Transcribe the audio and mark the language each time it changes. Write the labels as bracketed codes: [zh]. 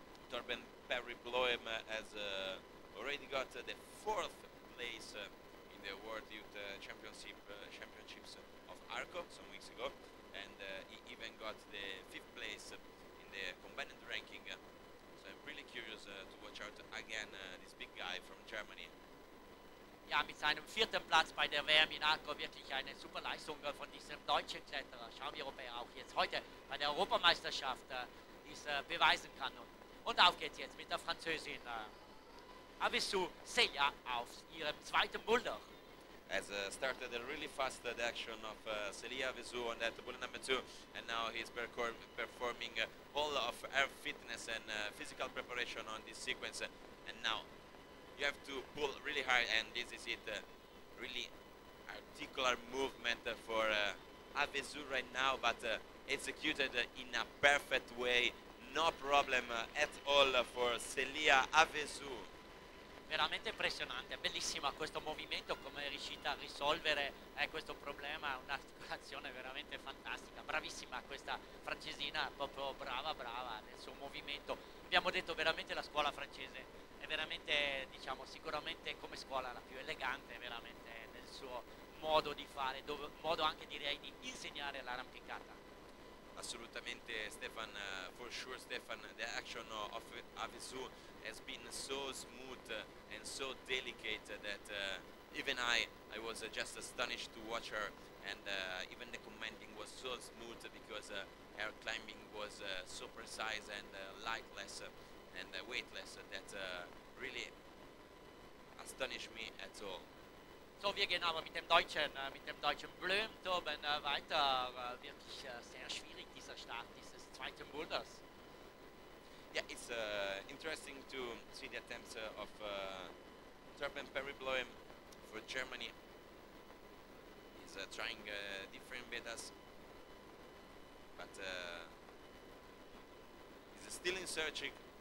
[en] Torben Perry Bloem has already got the fourth place in the World Youth Championships of Arco some weeks ago, and he even got the fifth place in the combined ranking. I'm really curious to watch out again this big guy from Germany. [de] Ja, mit seinem vierten Platz bei der WM in Arco, wirklich eine super Leistung von diesem deutschen Kletterer. Schauen wir, ob er auch jetzt heute bei der Europameisterschaft dies beweisen kann. Und auf geht's jetzt mit der Französin Avezou Celia auf ihrem zweiten Boulder. [en] Has started a really fast the action of Celia Avezou on that bullet number two, and now he's performing all of her fitness and physical preparation on this sequence, and now you have to pull really hard, and this is it, really articular movement for Avezou right now, but executed in a perfect way, no problem at all for Celia Avezou. [it] Veramente impressionante, bellissima questo movimento, come è riuscita a risolvere questo problema, un'articolazione veramente fantastica, bravissima questa francesina, proprio brava nel suo movimento. Abbiamo detto veramente la scuola francese è veramente, diciamo, sicuramente come scuola la più elegante, veramente nel suo modo di fare, modo anche direi di insegnare l'arrampicata. [en] Assolutamente Stefan, for sure Stefan, the action of Avizu has been so smooth and so delicate that even I was just astonished to watch her, and even the commenting was so smooth because her climbing was so precise and lightless and weightless that really astonished me at all. [de] So wir gehen aber mit dem deutschen Blumentoben weiter. Wirklich sehr schwierig dieser Start dieses zweiten Boulders. [en] Yeah, it's interesting to see the attempts of Torben Perryblom for Germany. He's trying different betas, but he's still in searching.